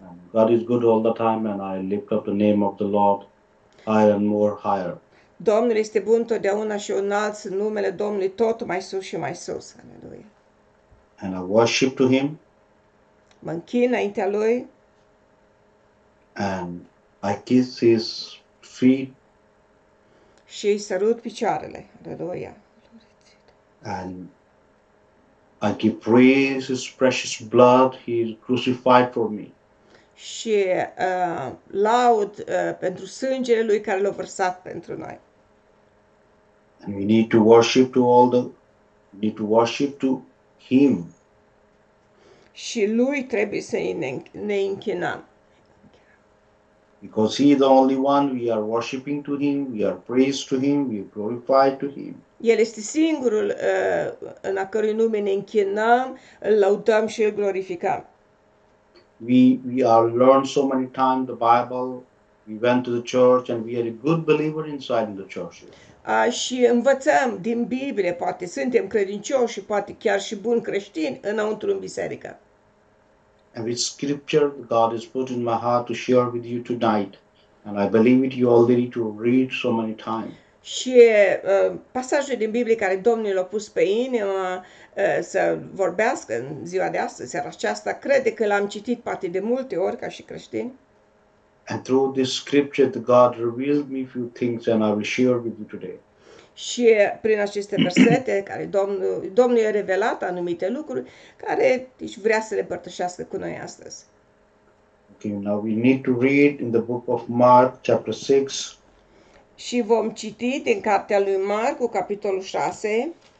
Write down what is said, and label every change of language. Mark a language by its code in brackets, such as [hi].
[en] God is good all the time and I lift up the name of the Lord higher and more higher. [ro] Domnul este bun totdeauna și eu înalț numele Domnului tot mai sus și mai sus. Aleluia. [en] And I worship to him. [ro] Mă închin înaintea lui. [en] And I kiss his feet. [ro] Și îi sărut picioarele. Aleluia. [en] And I give praise his precious blood he is crucified for me. [ro] Și laud pentru sângele lui care l-a vărsat pentru noi. [en] And we need to worship to all the need to worship to him. [ro] Și lui trebuie să ne închinăm. [en] Because he is the only one we are worshiping to him, we are praised to him, we are glorified to him. [ro] El este singurul în a cărui nume ne închinăm, îl lăudăm și îl glorificăm. [en] We are learned so many times the Bible, we went to the church and we are a good believer inside in the church. [ro] Și învățăm din Biblie, poate suntem credincioși și poate chiar și buni creștini înăuntru în biserică. [en] And which scripture God has put in my heart to share with you tonight. And I believe it you already to read so many times. [ro] Și pasajul din Biblie care Domnul l-a pus pe inimă să vorbească în ziua de astăzi, seara aceasta, crede că l-am citit poate de multe ori ca și creștin. [en] And through this scripture the God revealed me a few things and I will share with you today. [ro] Și prin aceste versete care Domnul i-a revelat anumite lucruri care își vrea să le împărtășească cu noi astăzi. [en] Okay, now we need to read in the book of Mark chapter 6. [ro] Și vom citi din cartea lui Marcu, capitolul 6.